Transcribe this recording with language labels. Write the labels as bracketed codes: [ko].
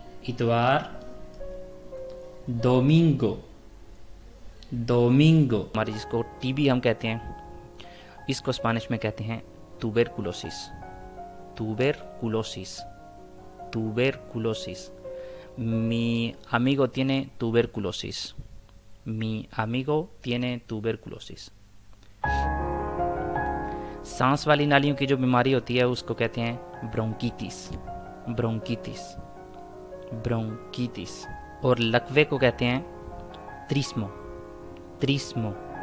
[hi] इतवार, Domingo, Domingo. हमारी जिसको टीबी हम कहते हैं, इसको स्पानिश में कहते हैं ट्यूबरकुलोसिस, ट्यूबरकुलोसिस, ट्यूबरकुलोसिस। [es] मी अमिगो तीने ट्यूबरकुलोसिस, मी अमिगो तीने ट्यूबरकुलोसिस। [hi] सांस वाली नालियों की जो बीमारी होती है उसको कहते हैं ब्रोंकीटिस, ब्रोंकीटिस, ब्रोंकीटिस। और लकवे को कहते हैं त्रिस्मो, त्रिस्मो।